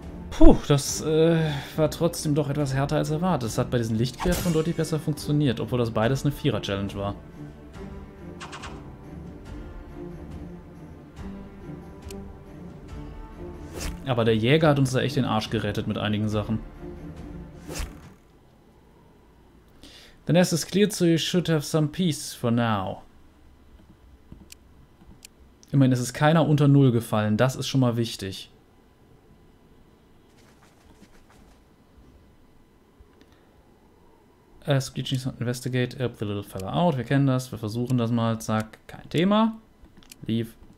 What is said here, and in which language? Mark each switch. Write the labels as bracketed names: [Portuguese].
[German] Puh, das war trotzdem doch etwas härter als erwartet. Es hat bei diesen Lichtkräften deutlich besser funktioniert, obwohl das beides eine Vierer-Challenge war. Aber der Jäger hat uns da echt den Arsch gerettet mit einigen Sachen. [English] The nest is clear, so you should have some peace for now. [German] Immerhin, es ist keiner unter Null gefallen, das ist schon mal wichtig. [English] Screeching Sound Investigate, help the little fella out, [German] wir kennen das, wir versuchen das mal, zack, kein Thema. [English] Leave.